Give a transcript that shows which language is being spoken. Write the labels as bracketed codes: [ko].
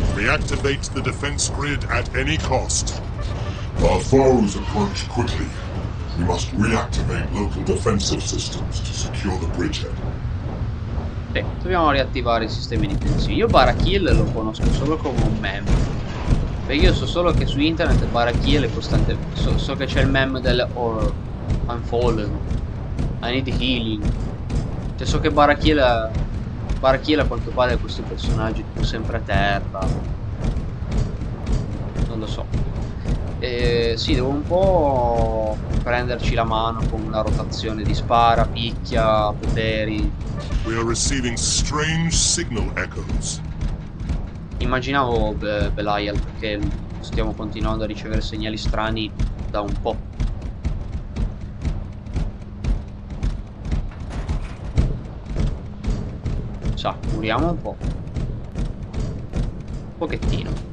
[en] Activate the defense grid at any cost. Our foes approach quickly. We must reactivate local defensive systems to secure the bridgehead. [it] Dobbiamo riattivare i sistemi di difesa. Io Barakiel lo conosco solo come un meme. Perché io so solo che su internet Barakiel è costante. So che c'è il meme del [en] Or I'm fallen. I need healing. [it] Cioè so che Barakiel a quanto pare è questo personaggio tipo sempre a terra. Lo so. Sì, devo un po' prenderci la mano con una rotazione di spara, picchia, poteri. [en] We are receiving strange signal echoes. [it] Immaginavo Be Belial, perché stiamo continuando a ricevere segnali strani da un po'. Sa, curiamo un po'. Un pochettino.